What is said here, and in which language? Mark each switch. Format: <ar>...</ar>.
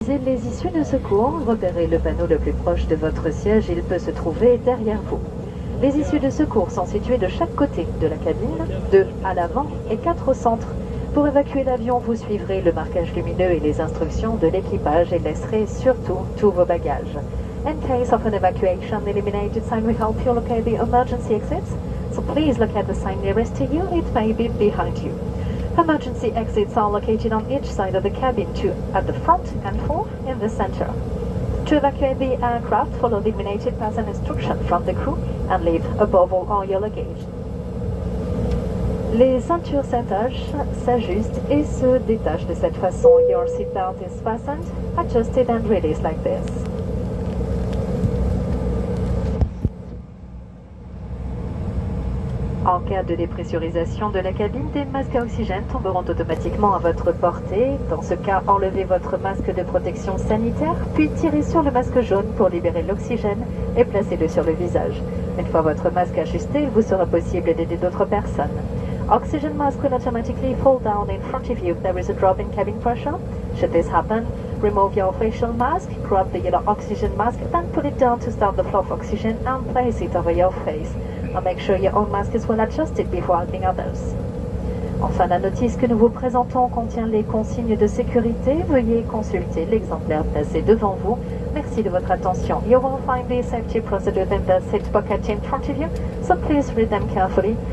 <fr>Les issues de secours, repérez le panneau le plus proche de votre siège, il peut se trouver derrière vous. Les issues de secours sont situées de chaque côté de la cabine, 2 à l'avant et 4 au centre. Pour évacuer l'avion, vous suivrez le marquage lumineux et les instructions de l'équipage et laisserez surtout tous vos bagages.</fr> <en>In case of an evacuation, eliminated sign will help you locate the emergency exits, so please look at the sign nearest to you, it may be behind you. Emergency exits are located on each side of the cabin, 2 at the front and 4 in the center. To evacuate the aircraft, follow the illuminated person instruction from the crew and leave above all your luggage.</en> <fr>Les ceintures s'ajustent et se détachent de cette façon.</fr> <en>Your seatbelt is fastened, adjusted and released like this.</en> <fr>En cas de dépressurisation de la cabine, des masques à oxygène tomberont automatiquement à votre portée. Dans ce cas, enlevez votre masque de protection sanitaire, puis tirez sur le masque jaune pour libérer l'oxygène et placez-le sur le visage. Une fois votre masque ajusté, il vous sera possible d'aider d'autres personnes.</fr> <en>Oxygen mask will automatically fall down in front of you if there is a drop in cabin pressure. Should this happen, remove your facial mask, grab the yellow oxygen mask, then put it down to stop the flow of oxygen and place it over your face. And make sure your own mask is well adjusted before helping others.</en> <fr>Enfin, la notice que nous vous présentons contient les consignes de sécurité. Veuillez consulter l'exemplaire placé devant vous. Merci de votre attention.</fr> <en>You will find the safety procedures in the seat pocket in front of you, so please read them carefully.</en>